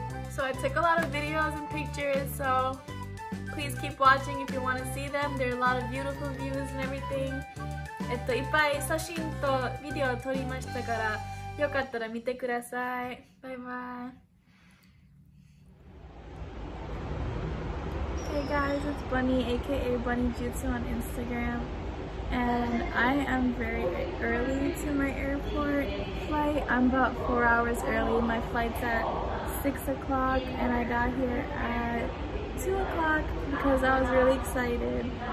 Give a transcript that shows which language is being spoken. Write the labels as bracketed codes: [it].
[en] So I took a lot of videos and pictures, so please keep watching if you want to see them. There are a lot of beautiful views and everything. [ja] いっぱい写真とビデオを撮りましたから、よかったら見てください。バイバイ。 [en] Hey guys, it's Bunny aka Bunny Jutsu on Instagram, and I am very early to my airport flight. I'm about 4 hours early. My flight's at 6 o'clock and I got here at 2 o'clock because I was really excited.